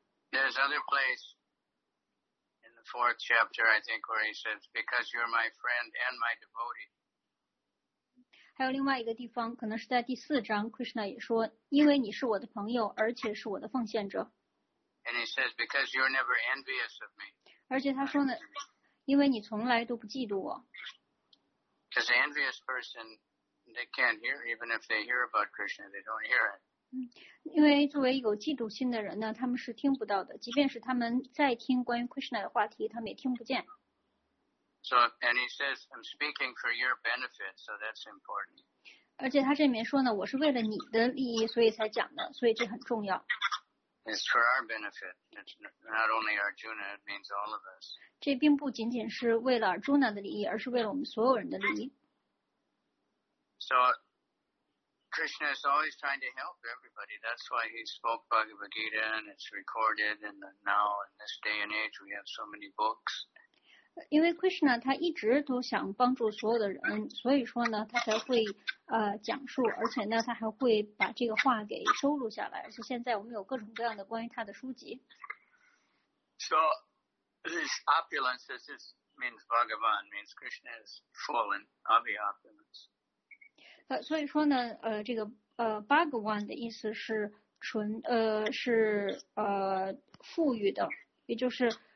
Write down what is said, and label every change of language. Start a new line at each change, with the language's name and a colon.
English: There's other place in the fourth chapter, I think, where he says, because you're my friend and my devotee.
Chinese: 还有另外一个地方，可能是在第四章 ，Krishna 也说，因为你是我的朋友，而且是我的奉献者。
English: And he says, because you're never envious of me.
Chinese: 而且他说呢，因为你从来都不嫉妒我。
English: Because an envious person, they can't hear, even if they hear about Krishna, they don't hear it.
Chinese: 因为作为有嫉妒心的人呢，他们是听不到的，即便是他们在听关于 Krishna 的话题，他们也听不见。
English: So, and he says, I'm speaking for your benefit, so that's important.
Chinese: 而且他这里面说呢，我是为了你的利益，所以才讲的，所以这很重要。
English: It's for our benefit. It's not only Arjuna, it means all of us.
Chinese: 这并不仅仅是为了 Arjuna 的利益，而是为了我们所有人的利益。
English: So, Krishna is always trying to help everybody. That's why he spoke Bhagavad Gita, and it's recorded, and now in this day and age, we have so many books.
Chinese: 因为 Krishna 他一直都想帮助所有的人，所以说呢，他才会讲述，而且呢，他还会把这个话给收录下来。而且现在我们有各种各样的关于他的书籍。
English: So this opulence, this is, means Bhagavan, means Krishna is full and of the opulence.
Chinese: 所以说呢，这个Bhagavan 的意思是纯是富裕的，也就是。